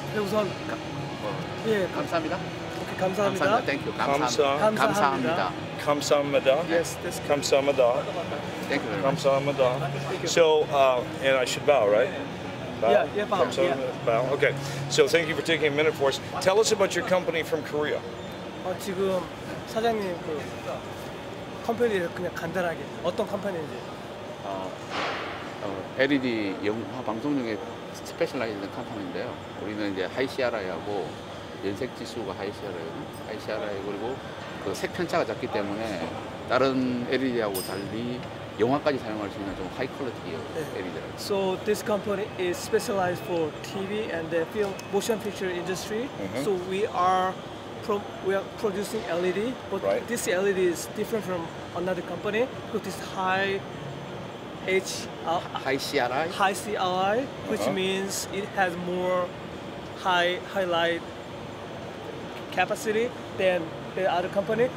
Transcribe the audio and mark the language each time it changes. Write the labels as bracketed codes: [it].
[ko] 우선, 감사합니다. 감사합니다. 감사합니다. [en] Thank you. [ko] 감사합니다. 감사합니다. 감사합니다. [en] Yes, this. [ko] 감사합니다. [en] Thank you very much. [ko] 감사합니다. [en] So, and I should bow, right? Bow. Okay. So thank you for taking a minute for us. Tell us about your company from Korea. [ko] 지금 사장님 그 컴퍼니를 그냥 간단하게 어떤 컴퍼니인지. LED 영화 방송용에 스페셜라이즈된 컴퍼니인데요. 우리는 이제 하이시아라이하고 연색 지수가 하이시아라이 그리고 그 색 편차가 작기 때문에 다른 LED하고 달리 영화까지 사용할 수 있는 좀 하이 퀄리티의 LED라고. [en] So this company is specialized for TV and the film motion picture industry. Mm-hmm. So we are producing LED, but right. This LED is different from another company because it's high CRI, which means it has more highlight capacity than the other company.